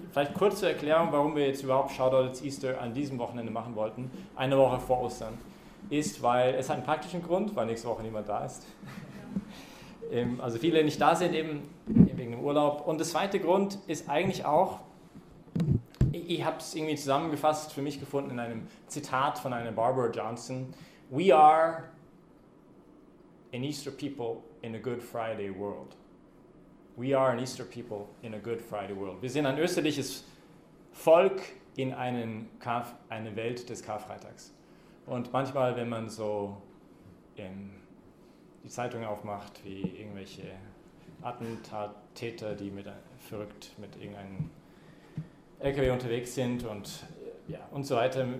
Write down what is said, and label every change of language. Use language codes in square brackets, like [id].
[de] Vielleicht kurze Erklärung, warum wir jetzt überhaupt Shoutout It's Easter an diesem Wochenende machen wollten, eine Woche vor Ostern, ist, weil es hat einen praktischen Grund, weil nächste Woche niemand da ist. Ja. Also viele nicht da sind, eben wegen dem Urlaub. Und der zweite Grund ist eigentlich auch, ich habe es irgendwie zusammengefasst für mich gefunden in einem Zitat von einer Barbara Johnson. [en] We are an Easter people in a Good Friday world. We are an Easter people in a Good Friday world. [de] Wir sind ein österliches Volk in eine Welt des Karfreitags. Und manchmal, wenn man so in die Zeitung aufmacht, wie irgendwelche Attentattäter, die verrückt mit irgendeinem LKW unterwegs sind und ja und so weiter.